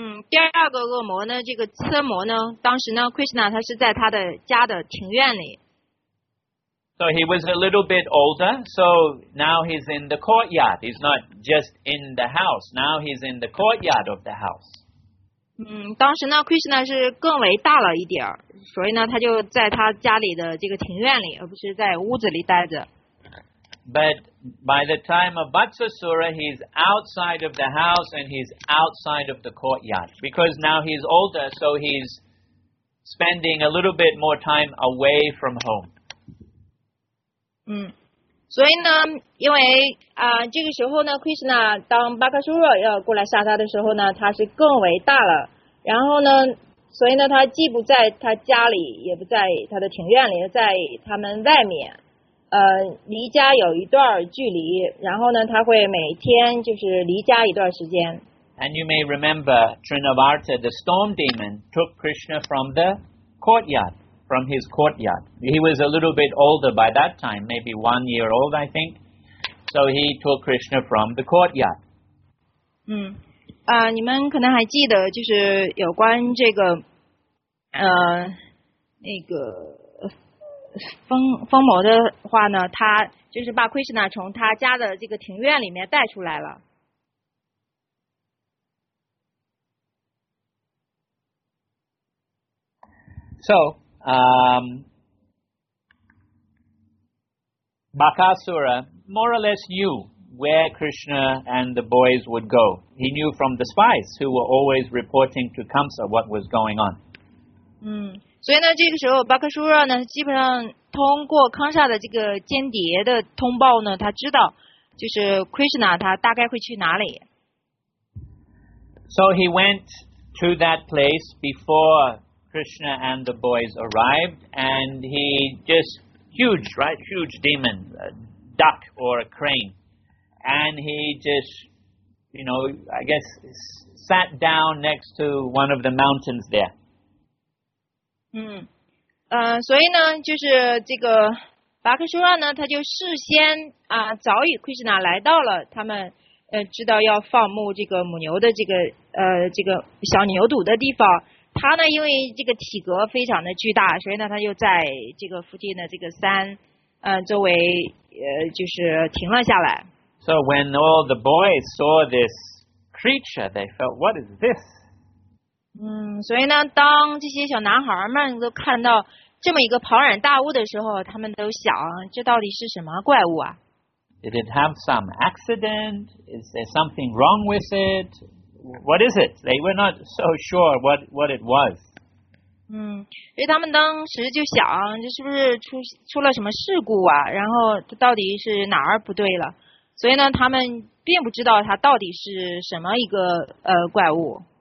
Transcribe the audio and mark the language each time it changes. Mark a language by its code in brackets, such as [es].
[zh] 第二个恶魔呢，这个车魔呢，当时呢 ，Krishna 他是在他的家的庭院里。 [en] So he was a little bit older, so now he's in the courtyard. He's not just in the house. Now he's in the courtyard of the house. [zh] 当时呢 ，Krishna 是更为大了一点，所以呢，他就在他家里的这个庭院里，而不是在屋子里待着。 [en] But by the time of Vatsasura, he's outside of the house and he's outside of the courtyard because now he's older, so he's spending a little bit more time away from home. [zh] 所以呢，因为这个时候呢 ，Krishna 当巴克苏若要过来杀他的时候呢，他是更为大了。然后呢，所以呢，他既不在他家里，也不在他的庭院里，在他们外面，离家有一段距离。然后呢，他会每天就是离家一段时间。 [en] And you may remember Trinavarta, the storm demon, took Krishna from the courtyard. From his courtyard. He was a little bit older by that time, maybe 1 year old, I think. So he took Krishna from the courtyard. [zh] 你们可能还记得就是有关这个那个疯魔的话呢，他就是把 Krishna 从他家的这个庭院里面带出来了。 [en] So,Bakasura more or less knew where Krishna and the boys would go. He knew from the spies who were always reporting to Kamsa what was going on. [zh] 所以呢，这个时候巴克苏若呢，基本上通过康萨的这个间谍的通报呢，他知道就是 Krishna 他大概会去哪里。 [en] So he went to that place before Krishna and the boys arrived, and he just huge, right? Huge demon, a duck or a crane. And he just, you know, I guess sat down next to one of the mountains there. [zh] 所以呢，就是这个巴克舒拉呢，他就事先啊，早与奎什纳来到了他们知道要放牧这个母牛的这个这个小牛犊的地方。他呢，因为这个体格非常的巨大，所以呢，他就在这个附近的这个山周围就是停了下来。 [en] So when all the boys saw this creature, they felt, "What is this?" [zh] 所以呢，当这些小男孩们都看到这么一个庞然大物的时候，他们都想，这到底是什么怪物啊 [en] ？Did it have some accident? Is there something wrong with it? What is it? They were not so sure what it was. [zh] 所以他们当时就想，这是不是出了什么事故啊？然后到底是哪儿不对了？所以呢，他们并不知道它到底是什么一个怪物。